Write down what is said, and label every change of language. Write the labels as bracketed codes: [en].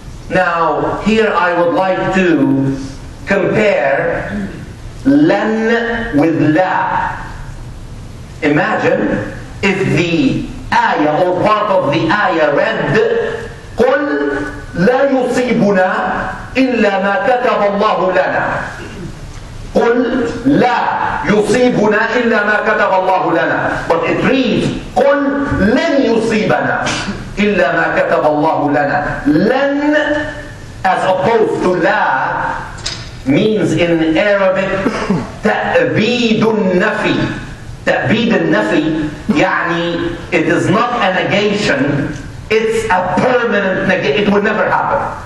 [en] Now, here I would like to compare لن with لا. Imagine if the ayah or part of the ayah read [ar] قل لا يصيبنا إلا ما كتب الله لنا. قل لا يصيبنا إلا ما كتب الله لنا. [en] But it reads [ar] قل لن يصيبنا إلا ما كتب الله لنا. [en] لن as opposed to لا means in Arabic [ar] تأبيد النفي. تأبيد النفي يعني [en] it is not a negation, it's a permanent negation, it will never happen.